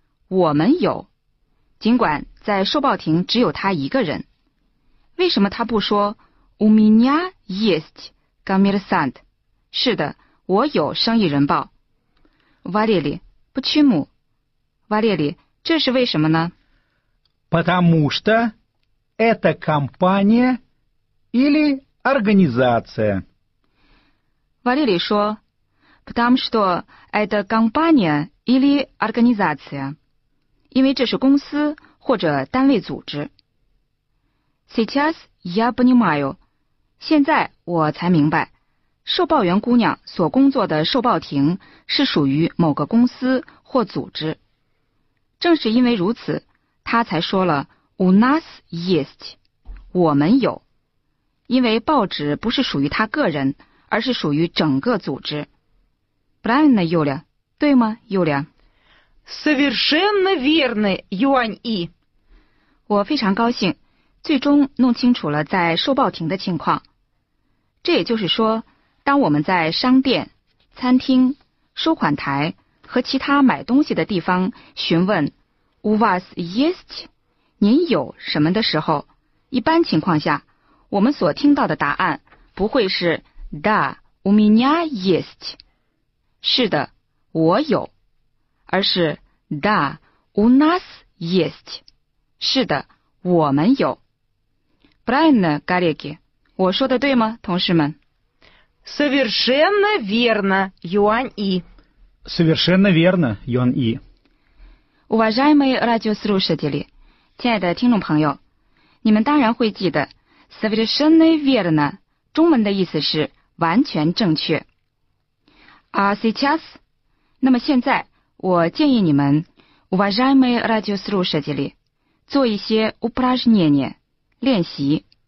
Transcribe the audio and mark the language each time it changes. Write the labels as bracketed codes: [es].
[zh] 我们有，尽管在售报亭只有她一个人。为什么她不说 [ru] у меня есть коммерсант? [zh] 是的，我有生意人报。 Валерий, 不屈母。Валерий, 这是为什么呢？ [ru] Потому что это компания или организация. [zh] Валерий 说 [ru] потому что это компания или организация. [zh] 因为这是公司或者单位组织。 [ru] Сейчас я понимаю. [zh] 现在我才明白，售报员姑娘所工作的售报亭是属于某个公司或组织。正是因为如此，他才说了 [ru] у нас есть, [zh] 我们有，因为报纸不是属于他个人，而是属于整个组织。 [ru] Правильно, Юля? [zh] 对吗 [ru] ,Юля? Совершенно верно, Юань И. [zh] 我非常高兴，最终弄清楚了在售报亭的情况。这也就是说，当我们在商店、餐厅、收款台和其他买东西的地方询问 [ru] У вас есть? [zh] 您有什么的时候，一般情况下，我们所听到的答案不会是 [ru] Да, у меня есть. [zh] 是的，我有。而是 [ru] Да, у нас есть. [zh] 是的，我们有。 [ru] Правильно, коллеги? [zh] 我说的对吗，同事们？ [ru] Совершенно верно, Юань И. Совершенно верно, Юань И. Уважаемые радиослушатели, [zh] 亲爱的听众朋友，你们当然会记得 [ru] совершенно верно, [zh] 中文的意思是完全正确。 [ru] А сейчас? [zh] 那么现在我建议你们 [ru] Уважаемые радиослушатели, [zh] 做一些 упражнения, 练习。